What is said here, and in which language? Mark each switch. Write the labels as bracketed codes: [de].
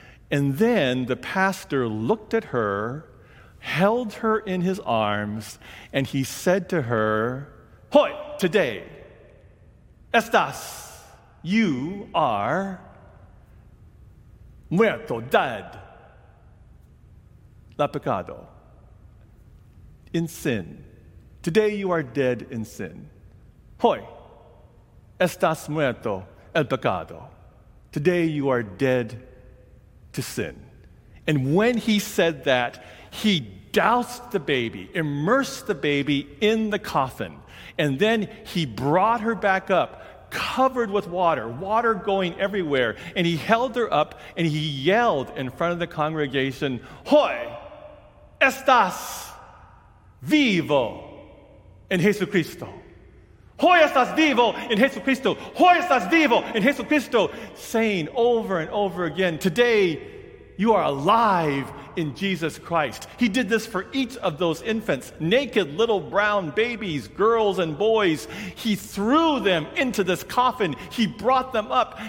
[en] And then the pastor looked at her, held her in his arms, and he said to her, [es] "Hoy, [en] today, [es] estás, [en] you are [es] muerto, [en] dead, [es] la pecado, [en] in sin. Today you are dead in sin. [es] Hoy, estás muerto, el pecado. [en] Today you are dead to sin." And when he said that, he doused the baby, immersed the baby in the coffin, and then he brought her back up, covered with water, water going everywhere, and he held her up, and he yelled in front of the congregation, [es] "Hoy, estás vivo en Jesucristo. Hoy estás vivo en Jesucristo. Hoy estás vivo en Jesucristo," [en] saying over and over again, "Today, you are alive in Jesus Christ." He did this for each of those infants, naked little brown babies, girls and boys. He threw them into this coffin. He brought them up.